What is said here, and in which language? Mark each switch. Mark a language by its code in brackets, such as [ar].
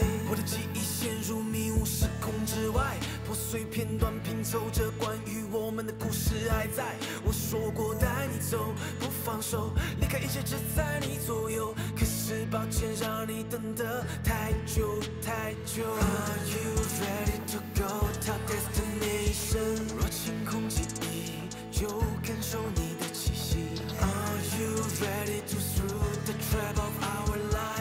[zh] 我的记忆陷入迷雾时空之外，破碎片段拼凑着关于我们的故事还在。我说过带你走不放手，离开一切只在你左右，可是抱歉让你等得太久太久。 [en] Are you ready to go to destination？ [zh] 若晴空记忆就感受你的气息。 [en] Are you ready to through the trap of our life？